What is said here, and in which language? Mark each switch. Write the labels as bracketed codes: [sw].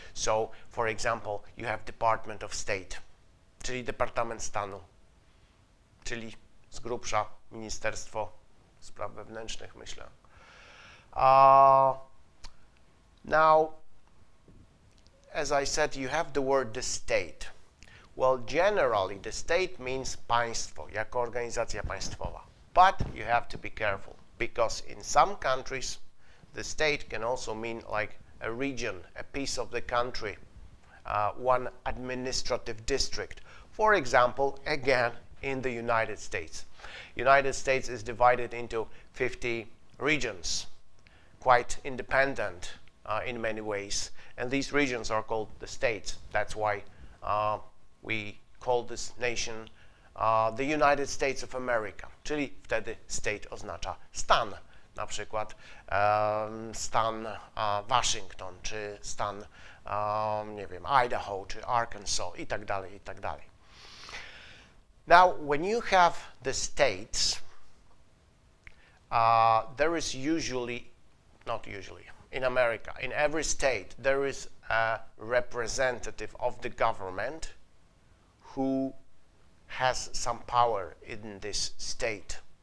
[en] So, for example, you have Department of State, [pl] czyli Departament Stanu, czyli z grubsza Ministerstwo Spraw Wewnętrznych, myślę. [en] Now, as I said, you have the word the state. Well, generally, the state means [pl] państwo, jako organizacja państwowa. [en] But you have to be careful, because in some countries, the state can also mean like a region, a piece of the country, one administrative district. For example, again, in the United States. United States is divided into 50 regions, quite independent in many ways. And these regions are called the states. That's why we call this nation the United States of America, [pl] czyli wtedy state oznacza stan, na przykład stan Washington, czy stan, nie wiem, Idaho, czy Arkansas, i tak dalej, i tak dalej. [en] Now, when you have the states, there is usually, not usually, in America, in every state, there is a representative of the government who has some power in this state.